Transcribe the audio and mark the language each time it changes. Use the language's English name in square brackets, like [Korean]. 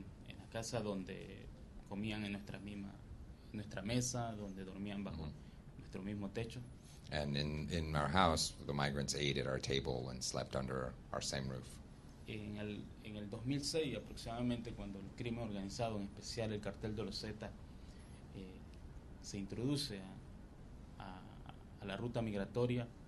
[Spanish] En la casa donde comían en nuestra mesa, donde dormían bajo nuestro mismo techo. [English] And in our house, the migrants ate at our table and slept under our same roof. [Spanish] En el 2006, aproximadamente, cuando el crimen organizado, en especial el cartel de los Zetas, se introduce a la ruta migratoria.